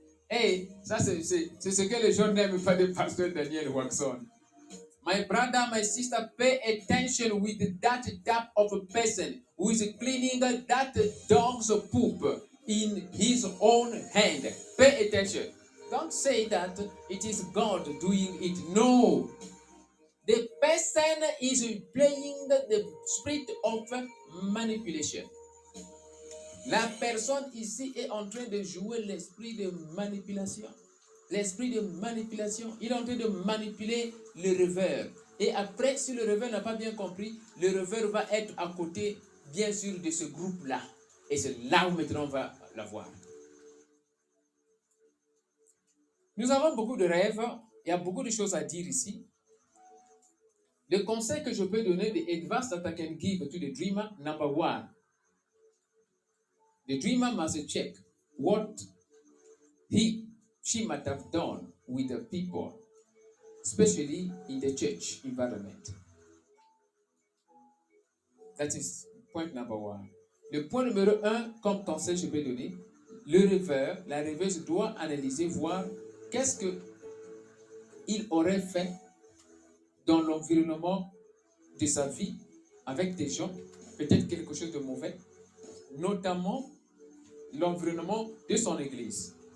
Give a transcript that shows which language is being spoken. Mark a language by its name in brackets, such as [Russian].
[French] Hey, ça, c'est ce que les gens n'aiment pas de pasteur Daniel Watson. [English] My brother, my sister, pay attention with that type of a person who is cleaning that dog's poop in his own hand. Pay attention. Don't say that it is God doing it. No. The person is playing the spirit of manipulation. [French] La personne ici est en train de jouer l'esprit de manipulation. L'esprit de manipulation, il est en train de manipuler le rêveur. Et après, si le rêveur n'a pas bien compris, le rêveur va être à côté, bien sûr, de ce groupe-là. Et c'est là où maintenant on va l'avoir. Nous avons beaucoup de rêves. Il y a beaucoup de choses à dire ici. Le conseil que je peux donner, [English] the advice that I can give to the dreamer, number one. The dreamer must check what he, she might have done with the people, especially in the church environment. That is point number one. [French] Le point numéro un, comme conseil je peux donner, le rêveur, la rêveuse doit analyser, voir qu'est-ce qu'il aurait fait dans l'environnement de sa vie avec des gens, peut-être quelque chose de mauvais, notamment l'environnement de son église.